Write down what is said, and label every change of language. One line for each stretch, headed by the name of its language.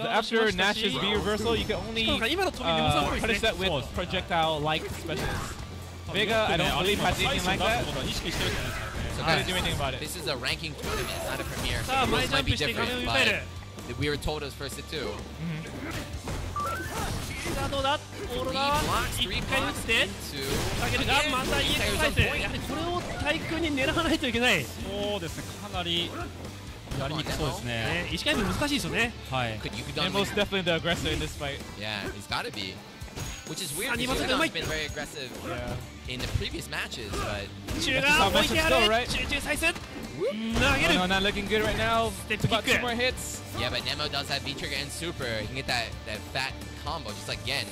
English: After Nash's B reversal, you can only punish that with projectile-like specials. Vega, I don't believe has anything like that. So gotta do anything about it. This is a ranking tournament, not a premiere. So rules might be different, but we were told it was first to two.
Japanese: さあどうだ、オーロラは1回打って下げるが、また EX サイズ、これを対空に狙わないといけない。そうですね、かなりやりにくそうですね。 1回目難しいですよね。はい、ネモス
English: definitely the aggressor in this fight。 Yeah, he's gotta be。 Which is weird because he's not been very aggressive in the previous matches, but
Japanese: 中がもう1回ある、中サイズ
English: No, not looking good right now. About two more hits. Yeah, but Nemo does have V-Trigger and Super. He can get that fat combo just like Gen.